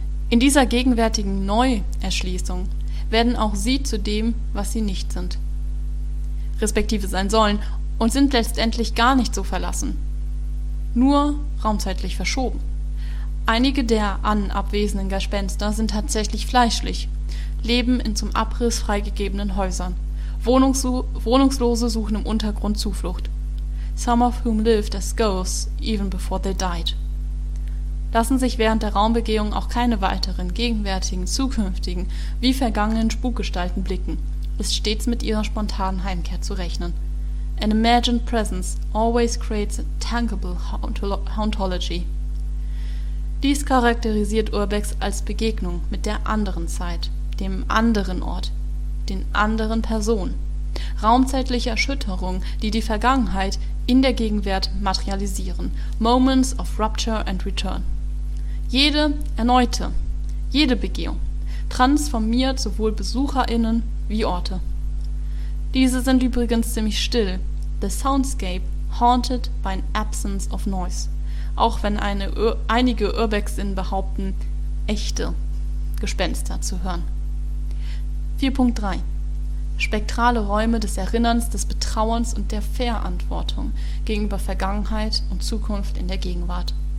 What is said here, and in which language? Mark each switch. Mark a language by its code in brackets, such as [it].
[de] In dieser gegenwärtigen Neuerschließung werden auch sie zu dem, was sie nicht sind, respektive sein sollen, und sind letztendlich gar nicht so verlassen. Nur raumzeitlich verschoben. Einige der abwesenden Gespenster sind tatsächlich fleischlich, leben in zum Abriss freigegebenen Häusern. Wohnungslose suchen im Untergrund Zuflucht. [en] Some of whom lived as ghosts even before they died. [de] Lassen sich während der Raumbegehung auch keine weiteren gegenwärtigen, zukünftigen wie vergangenen Spukgestalten blicken, ist stets mit ihrer spontanen Heimkehr zu rechnen. [en] An imagined presence always creates a tangible hauntology. [de] Dies charakterisiert Urbex als Begegnung mit der anderen Zeit, dem anderen Ort, den anderen Personen. Raumzeitliche Erschütterungen, die die Vergangenheit in der Gegenwart materialisieren. [en] Moments of rupture and return. [de] Jede Begehung transformiert sowohl BesucherInnen wie Orte. Diese sind übrigens ziemlich still. [en] The soundscape haunted by an absence of noise. [de] Auch wenn einige Urbexinnen behaupten, echte Gespenster zu hören. 4.3. Spektrale Räume des Erinnerns, des Betrauerns und der Verantwortung gegenüber Vergangenheit und Zukunft in der Gegenwart.